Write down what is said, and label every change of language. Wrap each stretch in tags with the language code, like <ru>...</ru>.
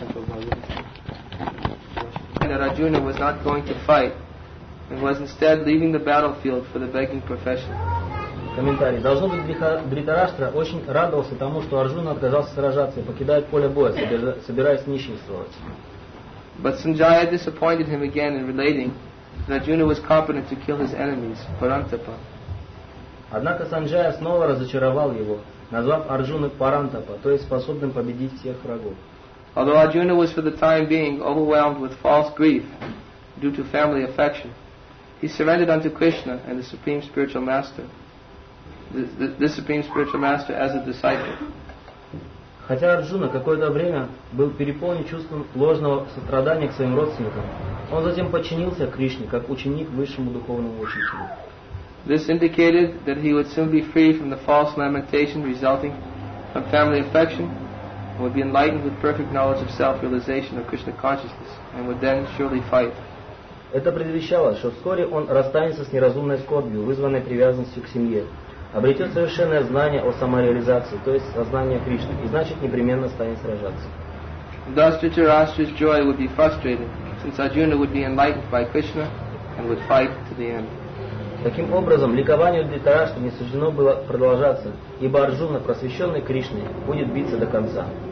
<en>Arjuna was not going to fight and was instead leaving the battlefield for the begging profession.</en> <ru>Комментарий. Должно быть, Дхритараштра очень радовался тому, что Арджуна отказался сражаться и покидает поле боя, собираясь нищенствовать.</ru> <en>But Sanjaya disappointed him again in relating that Arjuna was competent to kill his enemies, Parantapa.</en> <ru>Однако Санджая снова разочаровал его, назвав Арджуну Парантапа, то есть способным победить всех врагов.</ru> <en>Although Arjuna was for the time being overwhelmed with false grief due to family affection, he surrendered unto Krishna and the Supreme Spiritual Master, the Supreme Spiritual Master as a disciple.</en> <ru>Хотя Арджуна какое-то время был переполнен чувством ложного сострадания к своим родственникам, он затем подчинился Кришне как ученик высшему духовному учителю.</ru> <en>This indicated that he would soon be free from the false lamentation resulting from family affection and would be enlightened with perfect knowledge of self-realization of Krishna consciousness and would then surely fight.</en> <ru>Это предвещало, что вскоре он расстанется с неразумной скорбью, вызванной привязанностью к семье, обретет совершенное знание о самореализации, то есть сознание Кришны, и значит непременно станет сражаться.</ru> <en>Thus Dhritarashtra's joy would be frustrated since Arjuna would be enlightened by Krishna and would fight to the end.</en> <ru>Таким образом, ликование Дхритарашты не суждено было продолжаться, ибо Арджуна, просвещенный Кришной, будет биться до конца.</ru>